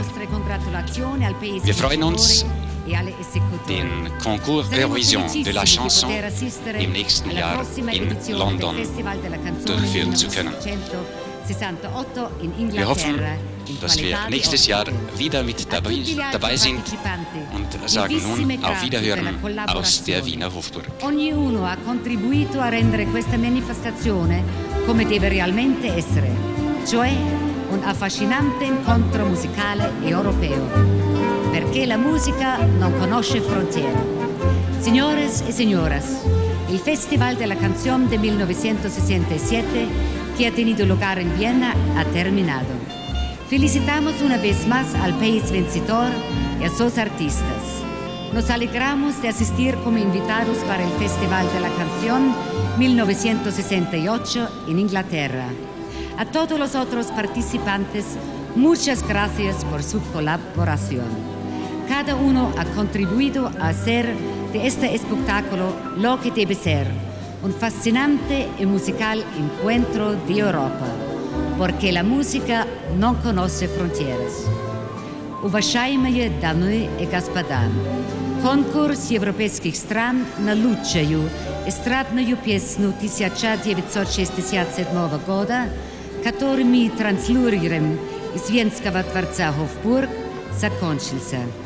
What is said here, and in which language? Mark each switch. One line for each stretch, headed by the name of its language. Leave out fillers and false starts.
German: Wir freuen uns, den Concours Eurovision de la Chanson im nächsten Jahr in London durchführen zu können. Wir hoffen, dass wir nächstes Jahr wieder mit dabei sind und sagen nun auf Wiederhören aus der Wiener Hofburg.
Italian: Ognuno ha contribuito a rendere questa manifestazione come deve realmente essere, cioè un affascinante incontro musicale e europeo, perché la musica non conosce frontiere.
Spanish: Signores e signoras,
Italian: il Festival della Canzone
Spanish: del 1967 que ha tenido lugar en Viena, ha terminado. Felicitamos una vez más al país vencedor y a sus artistas. Nos alegramos de asistir como invitados para el Festival de la Canción 1968 en Inglaterra. A todos los otros participantes, muchas gracias por su colaboración. Cada uno ha contribuido a hacer de este espectáculo lo que debe ser. Un fascinante y musical encuentro de Europa, porque la música no conoce fronteras.
Russian: Уважаемые дамы и господа, конкурс европейских стран на лучшую эстрадную песню 1967 года, который мы транслируем из Венского дворца Хофбург, закончился.